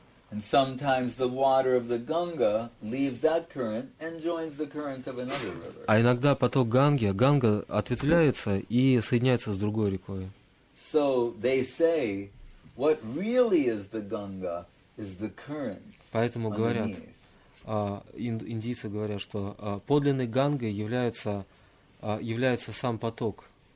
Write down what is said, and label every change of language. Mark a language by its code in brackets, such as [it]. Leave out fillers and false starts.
[en] And sometimes the water of the Ganga leaves that current and joins the current of another river. [ru] А иногда поток Ганга ответвляется и соединяется с другой рекой. [en] So they say, what really is the Ganga is the current. [ru] Поэтому говорят, индийцы говорят, что подлинной Гангой является сам поток.